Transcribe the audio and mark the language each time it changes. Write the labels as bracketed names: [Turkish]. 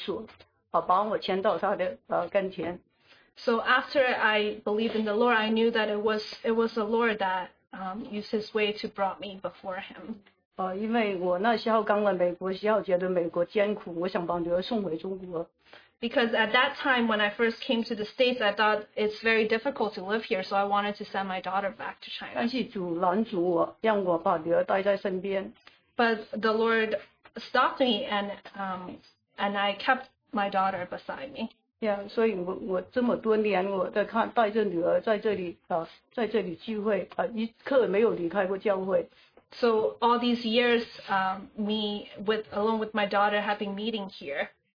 [Chinese] 那当我信主之后呢，我才知道主用其身爱所，把我牵到他的跟前。 [English] So after I believed in the Lord, I knew that it was the Lord that used His way to brought me before Him. [Chinese] 因为我那时候刚来美国，觉得美国艰苦，我想把女儿送回中国。 [English] Because at that time when I first came to the States, I thought it's very difficult to live here, so I wanted to send my daughter back to China. [Chinese] 但是主拦阻我，让我把女儿带在身边。 [English] But the Lord stopped me and I kept my daughter beside me. [Chinese] Yeah, 所以我这么多年我在看带着女儿在这里聚会，一刻没有离开过教会。 [English] So all these years, along with my daughter, have been meeting here.